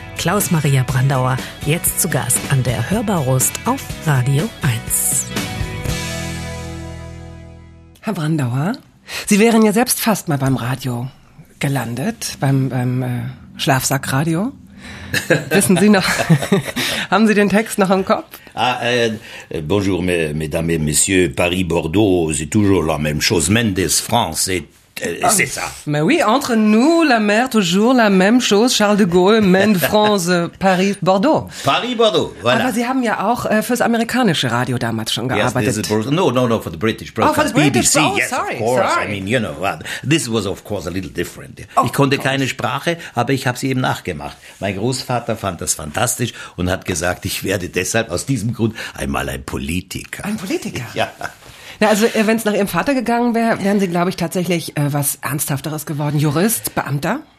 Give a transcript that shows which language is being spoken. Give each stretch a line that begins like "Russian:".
German: Klaus-Maria Brandauer, jetzt zu Gast an der Hörbar Rust auf Radio 1. Herr Brandauer, Sie wären ja selbst fast mal beim Radio gelandet, beim Schlafsackradio. Wissen Sie noch, haben Sie den Text noch im Kopf?
French: Bonjour, mesdames et messieurs, Paris, Bordeaux, c'est toujours la même chose, Mendes, France, c'est ça. Mais oui, entre nous, la mer, toujours la même chose, Charles de Gaulle, Mendes, France, Paris, Bordeaux. Paris, Bordeaux, voilà.
German: Aber Sie haben ja auch fürs amerikanische Radio damals schon gearbeitet.
English: Yes, no, for the British broadcast. Oh, for the British BBC, oh, yes, sorry, of course, sorry. I mean, you know what, this was of course a little different.
German: Oh, ich konnte keine Sprache, aber ich habe sie eben nachgemacht. Mein Großvater fand das fantastisch und hat gesagt, ich werde deshalb aus diesem Grund einmal ein Politiker. Ein Politiker? Ja. Na, also wenn es nach Ihrem Vater gegangen wäre, wären Sie, glaube ich, tatsächlich was Ernsthafteres geworden. Jurist, Beamter?